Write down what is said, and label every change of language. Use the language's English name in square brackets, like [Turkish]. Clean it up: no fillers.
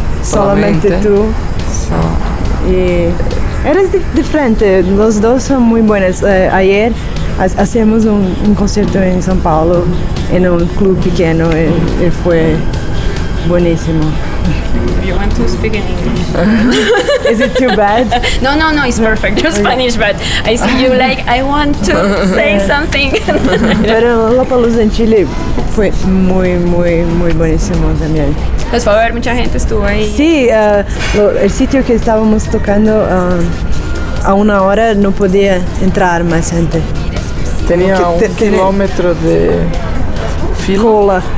[Spanish] solamente tú. [English] So. [Spanish] Y eres diferente, los dos son muy buenos. Ayer hacemos un concierto en São Paulo, en un club pequeño, y fue buenísimo. [English] You want to speak in English? Is it too bad? No, it's perfect, your Spanish, but I see you like, I want to say something. [Spanish] Pero Lollapalooza en Chile fue muy, muy, muy buenísimo también. Les fue a ver, mucha gente estuvo ahí. Sí, el sitio que estábamos tocando, a una hora no podía entrar más gente. Tenía kilómetro de fila.